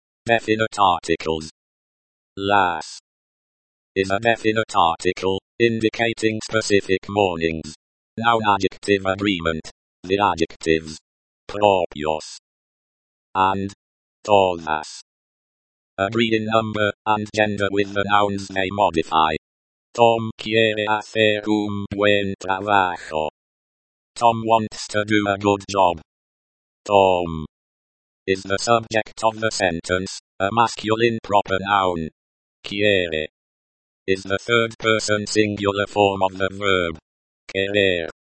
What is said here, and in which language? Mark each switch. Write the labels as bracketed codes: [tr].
[en] Definite articles. Las. Is a definite article, indicating specific mornings. Noun adjective agreement. The adjectives. Propios. And. Todas. Agree in number and gender with the nouns they modify. [es] Tom quiere hacer un buen trabajo. [en] Tom wants to do a good job. Tom is the subject of the sentence, a masculine proper noun. Quiere is the third person singular form of the verb. Querer.